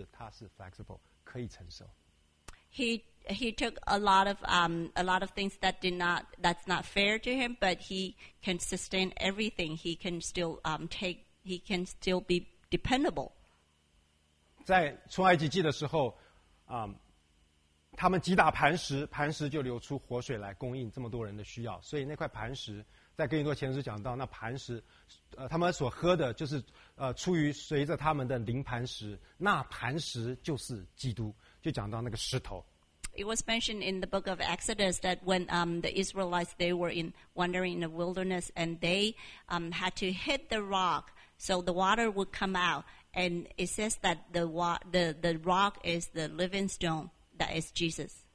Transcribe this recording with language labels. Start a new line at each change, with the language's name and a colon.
Chinese: 他承受了许多没有道理的一些压迫跟攻击在他的身上，但是他是flexible，可以承受。
English: He took a lot of things that's not fair to him, but he can sustain everything. He can still take. He can still be dependable.
Chinese: 在出埃及记的时候, 他们击打磐石，磐石就流出活水来供应这么多人的需要。所以那块磐石在哥林多前书讲到，那磐石，他们所喝的就是出于随着他们的灵磐石，那磐石就是基督，就讲到那个石头。
English: It was mentioned in the book of Exodus that when the Israelites, they were in wandering in the wilderness, and they had to hit the rock so the water would come out. And it says that the rock is the living stone that is Jesus.